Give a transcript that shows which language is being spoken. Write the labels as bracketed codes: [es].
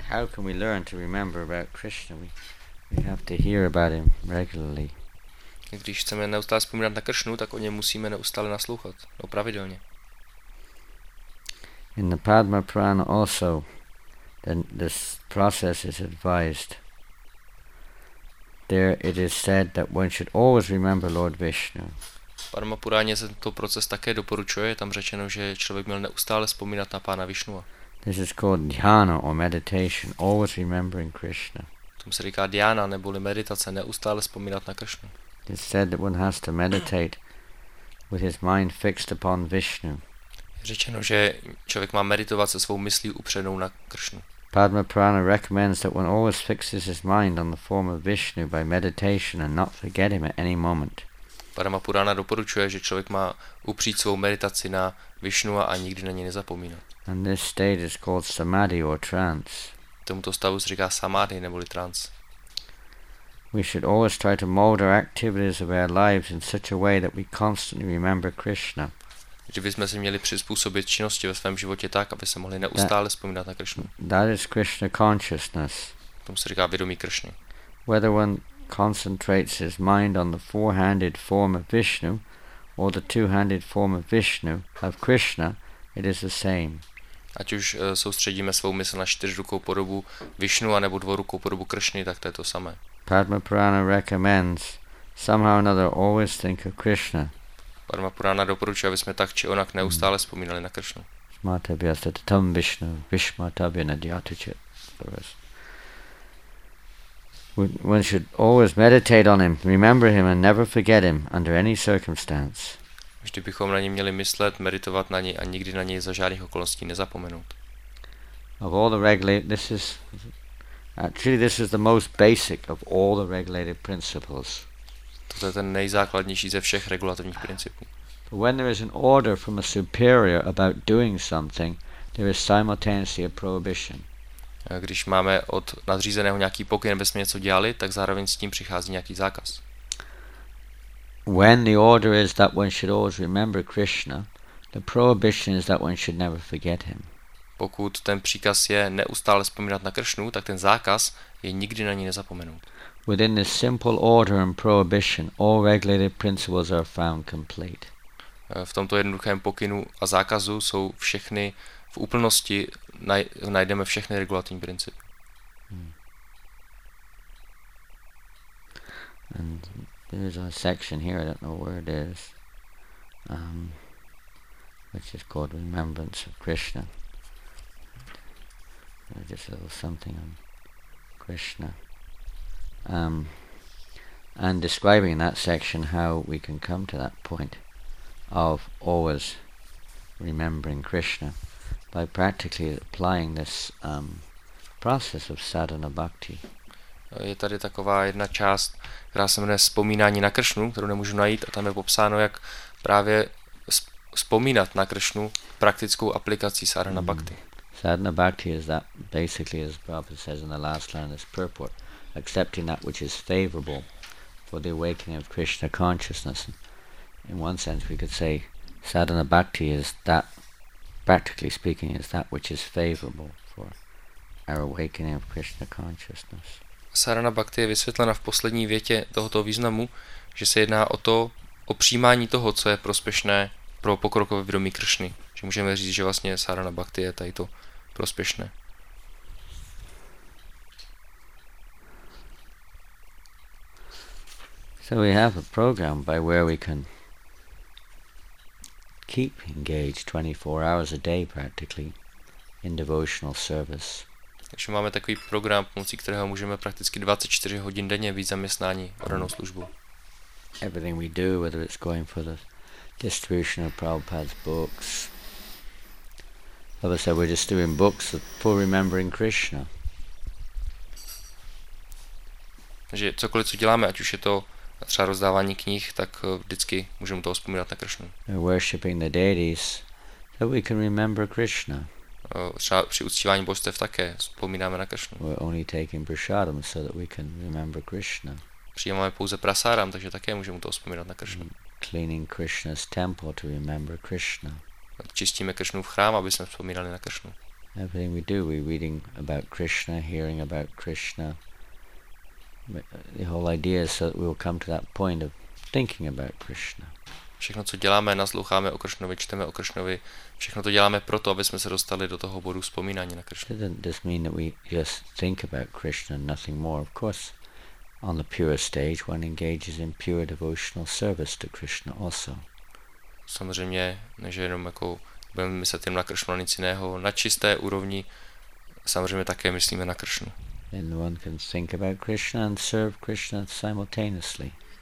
[en] How can we learn to remember about Krishna? We have to hear about him regularly. [cs] Když chceme neustále vzpomínat na Kršnu, tak o něm musíme neustále naslouchat, pravidelně. [en] In the Padma Purana also, then this process is advised. There it is said that one should always remember Lord Vishnu. [cs] Padma Puráně se tento proces také doporučuje. Je tam řečeno, že člověk měl neustále vzpomínat na pána Vishnu. [en] This is called dhyana or meditation, always remembering Krishna. [cs] Tomu se říká dhyana neboli meditace, neustále vzpomínat na Krishnu. [en] It's said that one has to meditate with his mind fixed upon Vishnu. [cs] Řečeno, že člověk má meditovat se svou myslí upřenou na Krishnu. [en] Padma Purana recommends that one always fixes his mind on the form of Vishnu by meditation and not forget him at any moment. [cs] Padma Purana doporučuje, že člověk má upřít svou meditaci na Vishnu a nikdy na něj nezapomínat. [en] And this state is called samadhi or trance. [cs] Tomuto stavu se říká samadhi neboli trance. [en] We should always try to mold our activities of our lives in such a way that we constantly remember Krishna. [cs] Že bychom se měli přizpůsobit činnosti ve svém životě tak, aby se mohli neustále vzpomínat na Krishnu. [en] That is Krishna consciousness. [cs] Tomu se říká vědomí Krishny. [en] Whether one concentrates his mind on the four-handed form of Vishnu or the two-handed form of Vishnu of Krishna, It is the same. [cs] Ať už soustředíme svou mysl na čtyřrukou podobu Višnu anebo dvorukou podobu Kršny, tak to je to samé. [en] Padma Purana recommends somehow or another always think of Krishna. [cs] Padma Purana doporučuje, aby jsme tak či onak neustále vzpomínali na Kršnu. [sa] Smatabhyasatatam Vishnu, Vishmatabhyanadhyatichit. [en] One should always meditate on him, remember him and never forget him under any circumstance. [cs] Vždy bychom na něj měli myslet, meditovat na něj a nikdy na něj za žádných okolností nezapomenout. [en] Of all the this is the most basic of all the regulated principles. [cs] To je ten nejzákladnější ze všech regulativních principů. [en] When there is an order from a superior about doing something, there is simultaneously a prohibition. [cs] Když máme od nadřízeného nějaký pokyn, aby jsme něco dělali, tak zároveň s tím přichází nějaký zákaz. [en] When the order is that one should always remember Krishna, the prohibition is that one should never forget him. [cs] Pokud ten příkaz je neustále vzpomínat na Kršnu, tak ten zákaz je nikdy na ní nezapomenout. [en] Within this simple order and prohibition, all regulated principles are found complete. [cs] V tomto jednoduchém pokynu a zákazu jsou všechny v úplnosti najdeme všechny regulativní principy. [en] There is a section here, I don't know where it is, which is called Remembrance of Krishna. Just a little something on Krishna. And describing in that section how we can come to that point of always remembering Krishna by practically applying this process of sadhana bhakti. [cs] Je tady taková jedna část, která se jmenuje vzpomínání na Kršnu, kterou nemůžu najít, a tam je popsáno, jak právě vzpomínat na Kršnu praktickou aplikací sadhana bhakti. [en] Sadhana bhakti is that basically, as Prabhupada says in the last line of this purport, accepting that which is favorable for the awakening of Krishna consciousness. In one sense we could say sadhana bhakti is that, practically speaking, is that which is favorable for our awakening of Krishna consciousness. [cs] Sarana Bhakti je vysvětlena v poslední větě tohoto významu, že se jedná o to, o přijímání toho, co je prospěšné pro pokrokové vědomí Kršny. Že můžeme říct, že vlastně Sarana Bhakti je tady to prospěšné. [en] So we have a program by where we can keep engaged 24 hours a day practically in devotional service. [cs] Takže máme takový program, pomocí kterého můžeme prakticky 24 hodin denně být zaměstnání oddanou službu. [en] Everything we do, whether it's going for the distribution of Prabhupada's books. Like I said, we're just doing books for remembering Krishna. [cs] Takže cokoliv, co děláme, ať už je to třeba rozdávání knih, tak vždycky můžeme toho vzpomínat na Krishnu. [en] Worshipping the deities, so we can remember Krishna. [cs] Třeba při uctívání božstev také vzpomínáme na Kršnu. [en] We're only taking prasadam so that we can remember Krishna. [cs] Přijímáme pouze prasadam, takže také můžeme to vzpomínat na Kršnu. [en] Cleaning Krishna's temple to remember Krishna. [cs] Čistíme Kršnu v chrám, aby jsme vzpomínali na Kršnu. [en] Everything we do, we're reading about Krishna, hearing about Krishna. The whole idea is so that we'll come to that point of thinking about Krishna. [cs] Všechno, co děláme, nasloucháme o Kršnovi, čteme o Kršnovi, všechno to děláme proto, aby jsme se dostali do toho bodu vzpomínání na Kršnu. [en] It doesn't just mean that we just think about Krishna and nothing more. Of course, on the pure stage, one engages in pure devotional service to Krishna also. [cs] Samozřejmě, než jenom jako budeme myslet jen na Kršnu a nic jiného, na čisté úrovni, samozřejmě také myslíme na Kršnu. [en] And one can think about Krishna and serve Krishna simultaneously.